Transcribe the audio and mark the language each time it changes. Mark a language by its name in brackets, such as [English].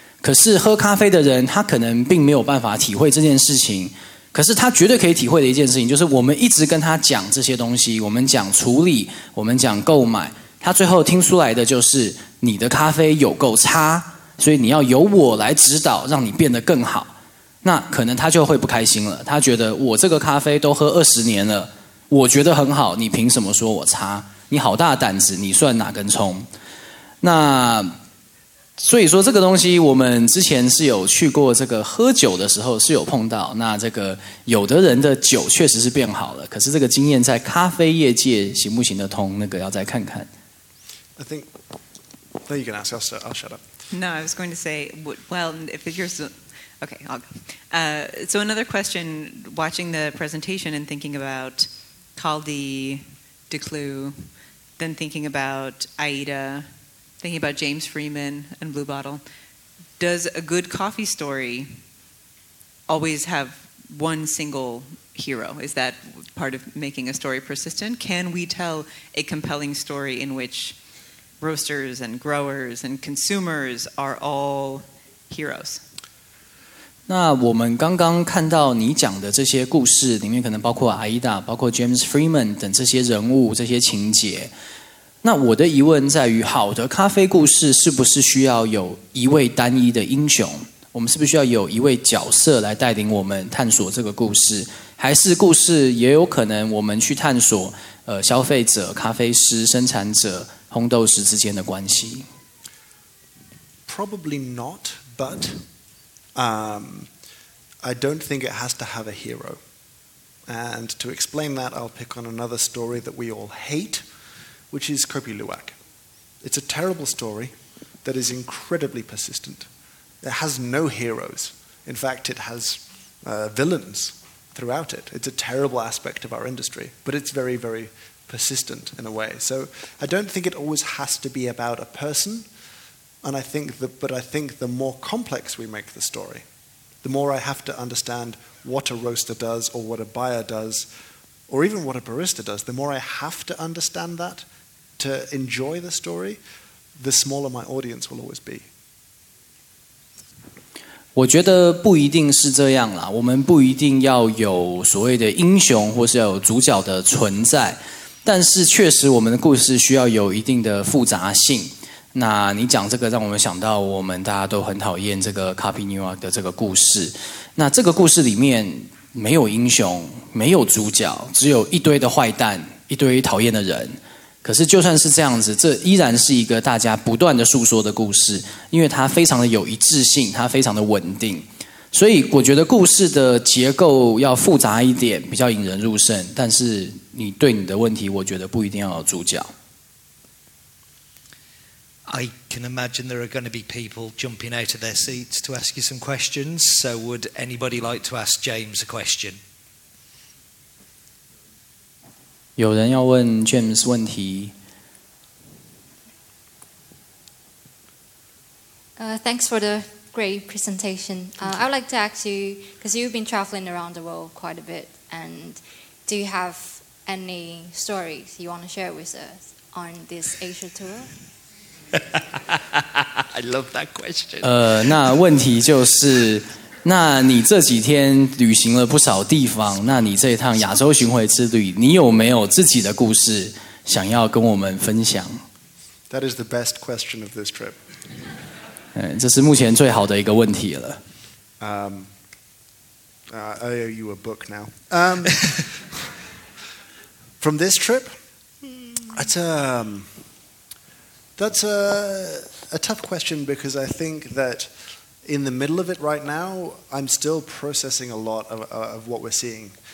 [Chinese] 可是喝咖啡的人他可能并没有办法体会这件事情，可是他绝对可以体会的一件事情就是我们一直跟他讲这些东西，我们讲处理，我们讲购买，他最后听出来的就是你的咖啡有够差，所以你要由我来指导让你变得更好，那可能他就会不开心了，他觉得我这个咖啡都喝20年了，我觉得很好，你凭什么说我差，你好大胆子，你算哪根葱。那所以说这个东西我们之前是有去过这个喝酒的时候是有碰到，那这个有的人的酒确实是变好了，可是这个经验在咖啡业界行不行得通，那个要再看看。 [English] I think that you can ask, I'll shut up. No, I was going to say, well, if you're okay, I'll go. So another question, watching the presentation and thinking about Caldi, Duclos, then thinking about Aida,thinking about James Freeman and Blue Bottle, does a good coffee story always have one single hero? Is that part of making a story persistent? Can we tell a compelling story in which roasters and growers and consumers are all heroes? [Chinese] 那我们刚刚看到你讲的这些故事里面可能包括 Aida, 包括 James Freeman 等这些人物，这些情节，那我的疑问在于好的咖啡故事是不是需要有一位单一的英雄，我们是不是需要有一位角色来带领我们探索这个故事，还是故事也有可能我们去探索消费者、咖啡师、生产者、烘豆师之间的关系？ [English] Probably not, but I don't think it has to have a hero. And to explain that, I'll pick on another story that we all hateWhich is Kopi Luwak. It's a terrible story that is incredibly persistent. It has no heroes. In fact, it has villains throughout it. It's a terrible aspect of our industry, but it's very, very persistent in a way. So I don't think it always has to be about a person, and I think the more complex we make the story, the more I have to understand what a roaster does or what a buyer does, or even what a barista does, the more I have to understand that,to enjoy the story, the smaller my audience will always be. [Chinese] 我觉得不一定是这样啦，我们不一定要有所谓的英雄或是要有主角的存在，但是确实我们的故事需要有一定的复杂性。那你讲这个让我们想到我们大家都很讨厌这个 Kopi Luwak 的这个故事，那这个故事里面没有英雄，没有主角，只有一堆的坏蛋，一堆讨厌的人，可是就算是这样子，这依然是一个大家不断的诉说的故事，因为它非常的有一致性，它非常的稳定，所以我觉得故事的结构要复杂一点比较引人入胜，但是你对你的问题我觉得不一定要有主角。 [English] I can imagine there are going to be people jumping out of their seats to ask you some questions, so would anybody like to ask James a question? [Chinese] 有人要问 James 问题。 [English] Thanks for the great presentation. I would like to ask you, because you've been traveling around the world quite a bit, and do you have any stories you want to share with us on this Asia tour? I love that question. [Chinese] 那问题就是。那你这几天旅行了不少地方，那你这一趟亚洲巡回之旅，你有没有自己的故事想要跟我们分享？ [English] That is the best question of this trip. [Chinese] 这是目前最好的一个问题了。 [English] I owe you a book now. from this trip, that's a tough question because I think that. In the middle of it right now, I'm still processing a lot of what we're seeing.